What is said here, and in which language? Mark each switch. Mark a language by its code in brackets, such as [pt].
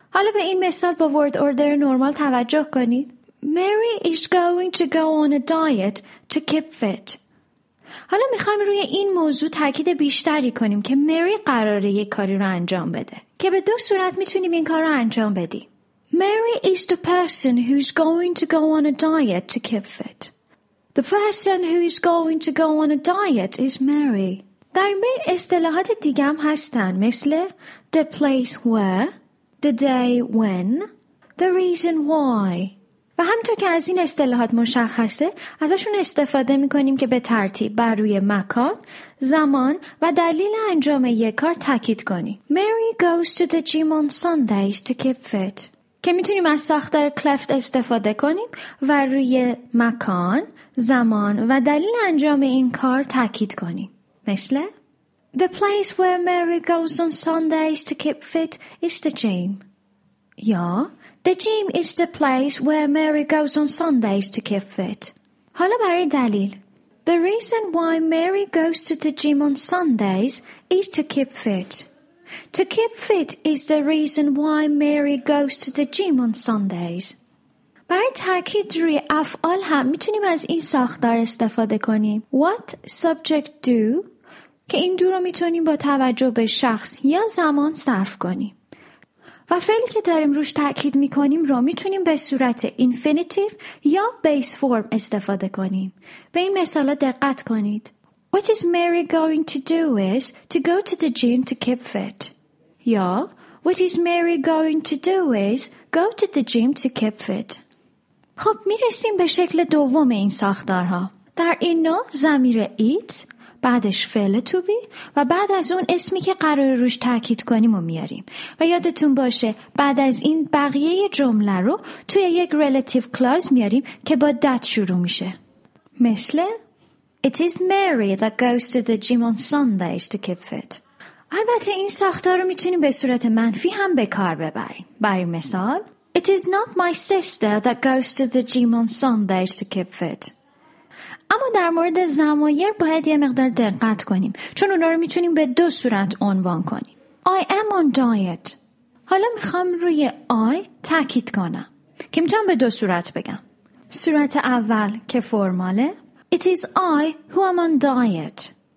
[fa] حالا به این مثال با word order نرمال توجه کنید. [en] Mary is going to go on a diet to keep fit. [fa] حالا میخوایم روی این موضوع تاکید بیشتری کنیم که Mary قراره یک کاری رو انجام بده. که به دو صورت میتونیم این کار رو انجام بدیم. [en] Mary is the person who's going to go on a diet to keep fit. The person who is going to go on a diet is Mary. [fa] در این بین اصطلاحات دیگه هم هستن مثل [en] the place where, the day when, the reason why. [fa] و و همینطور که از این اصطلاحات مشخصه ازشون استفاده میکنیم که به ترتیب بر روی مکان، زمان و دلیل انجام یک کار تاکید کنیم. Mary goes to the gym on Sundays to keep fit. که میتونیم از ساختار cleft استفاده کنیم و روی مکان، زمان و دلیل انجام این کار تاکید کنیم. [en] مثل The place where Mary goes on Sundays to keep fit is the gym. یا The gym is the place where Mary goes on Sundays to keep fit. [fa] حالا برای دلیل. [en] The reason why Mary goes to the gym on Sundays is to keep fit. To keep fit is the reason why Mary goes to the gym on Sundays. [fa] برای تاکید روی افعال هم میتونیم از این ساختار استفاده کنیم. [en] What subject do [fa] که این دو رو میتونیم با توجه به شخص یا زمان صرف کنیم. و فعلی که داریم روش تاکید میکنیم رو میتونیم به صورت اینفینیتیو یا بیس فرم استفاده کنیم. به این مثالا دقت کنید. [en] What is Mary going to do is to go to the gym to keep fit. یا What is Mary going to do is go to the gym to keep fit. [fa] خب میرسیم به شکل دوم این ساختارها. در این نوع ضمیر eat، بعدش فعل to be و بعد از اون اسمی که قرار روش تاکید کنیم و میاریم. و یادتون باشه بعد از این بقیه جمله رو توی یک relative clause میاریم که با that شروع میشه. [en] مثل It is Mary that goes to the gym on Sundays to keep fit. [fa] البته این ساختار رو میتونیم به صورت منفی هم به کار ببریم. برای مثال [en] It is not my sister that goes to the gym on Sundays to keep fit. [fa] اما در مورد ضمایر باید یه مقدار دقت کنیم چون اونا رو میتونیم به دو صورت عنوان کنیم. [en] I am on diet. [fa] حالا میخوام روی I تاکید کنم که میتونم به دو صورت بگم. صورت اول که فرماله [en] It is I who am on diet.